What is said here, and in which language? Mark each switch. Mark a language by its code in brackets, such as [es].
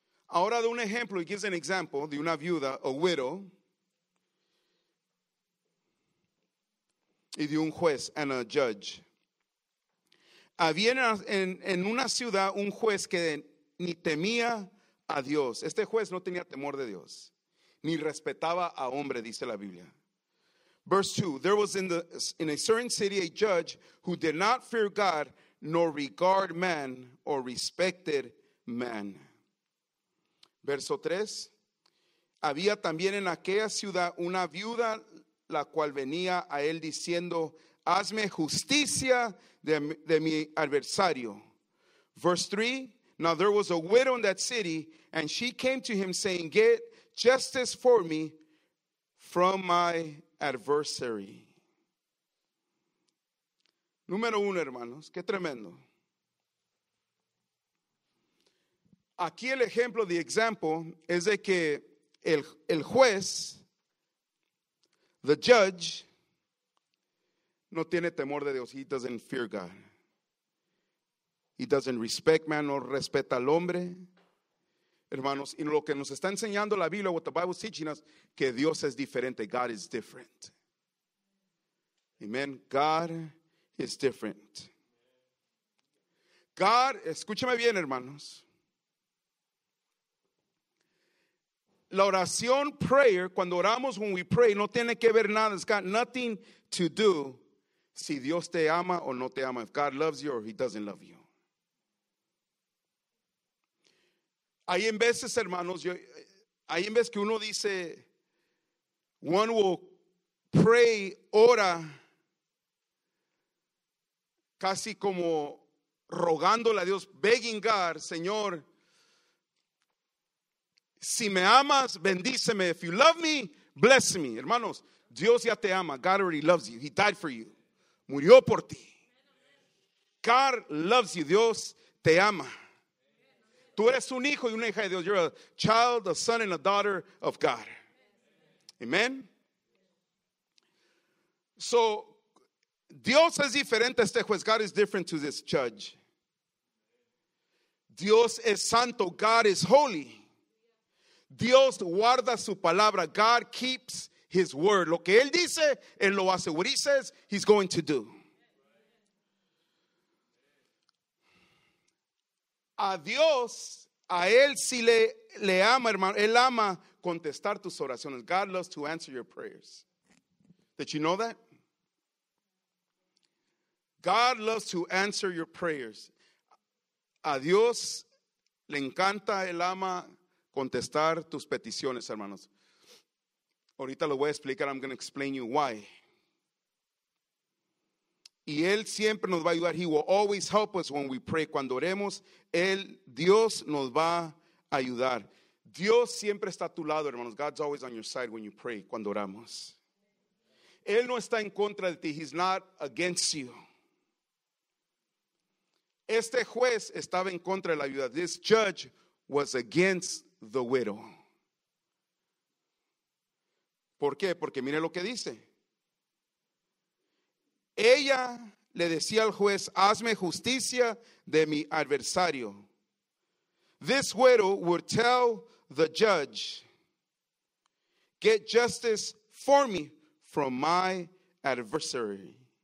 [es] Ahora de un ejemplo, [en] he gives an example [es] de una viuda, [en] a widow, [es] y de un juez, [en] and a judge. [es] Había en una ciudad un juez que ni temía a Dios. Este juez no tenía temor de Dios, ni respetaba a hombre, dice la Biblia. [en] Verse 2, there was in a certain city a judge who did not fear God nor regard man or respected man. [es] Verso 3, había también en aquella ciudad una viuda la cual venía a él diciendo, hazme justicia de mi adversario. [en] Verse 3, now there was a widow in that city and she came to him saying, get justice for me from my adversary. [es] Número uno, hermanos, qué tremendo. Aquí el ejemplo, [en] the example, [es] es de que el juez, [en] the judge, [es] no tiene temor de Dios. [en] He doesn't fear God. He doesn't respect man, [es] no respeta al hombre. Hermanos, y lo que nos está enseñando la Biblia, [en] what the Bible is teaching us, [es] que Dios es diferente. [en] God is different. Amen. God is different. [es] God, escúchame bien, hermanos. La oración, prayer, cuando oramos, [en] when we pray, [es] no tiene que ver nada. [en] It's got nothing to do [es] si Dios te ama o no te ama. [en] If God loves you or he doesn't love you. [es] Hay en veces, hermanos, hay en veces que uno dice, [en] one will pray, [es] ora, casi como rogándole a Dios, [en] begging God, [es] Señor, si me amas, bendíceme. [en] If you love me, bless me. [es] Hermanos, Dios ya te ama. [en] God already loves you. He died for you. [es] murió por ti. [en] God loves you. [es] Dios te ama. Tú eres un hijo y una hija de Dios. [en] You're a child, a son, and a daughter of God. Amen. [es] So, Dios es diferente a este juez. [en] God is different to this judge. [es] Dios es santo. [en] God is holy. [es] Dios guarda su palabra. God keeps his word. Lo que él dice, él lo hace. [en] What he says, he's going to do. [es] A Dios, a él sí le ama, hermano. Él ama contestar tus oraciones. [en] God loves to answer your prayers. Did you know that? God loves to answer your prayers. [es] A Dios le encanta, él ama contestar tus peticiones, hermanos. Ahorita lo voy a explicar. [en] I'm going to explain you why. [es] Y él siempre nos va a ayudar. [en] He will always help us when we pray. [es] Cuando oremos, él, Dios nos va a ayudar. Dios siempre está a tu lado, hermanos. [en] God's always on your side when you pray, [es] cuando oramos. Él no está en contra de ti. [en] He's not against you. [es] Este juez estaba en contra de la viuda. [en] This judge was against the widow. [es] ¿Por qué? Porque mire lo que dice. Ella le decía al juez, hazme justicia de mi adversario. [en] This widow would tell the judge, get justice for me from my adversary.